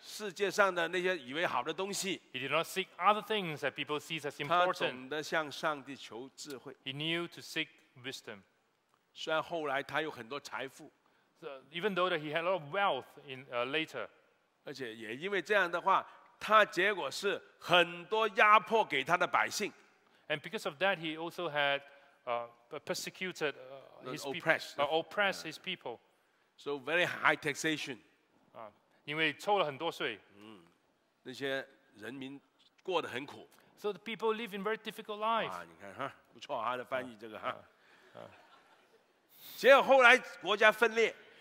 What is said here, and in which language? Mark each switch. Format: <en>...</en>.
<zh>没有去求那些人以为的世界上的那些以为好的东西。</zh> <en>He did not seek other things that people see as important.</en> <zh>他懂得向上帝求智慧。</zh> <en>He knew to seek wisdom.</en> <zh>虽然后来他有很多财富。</zh> <en>Even though that he had a lot of wealth in later,</en> <zh>而且也因为这样的话, 他结果是很多压迫给他的百姓,</zh> <en>and because of that, he also had persecuted his oppressed, oppressed his people. So very high taxation.</en> <zh>因为抽了很多税, 那些人民过得很苦.</zh> <en>So the people live in very difficult life.</en> <zh>你看哈，不错，他的翻译这个哈。结果后来国家分裂。</zh>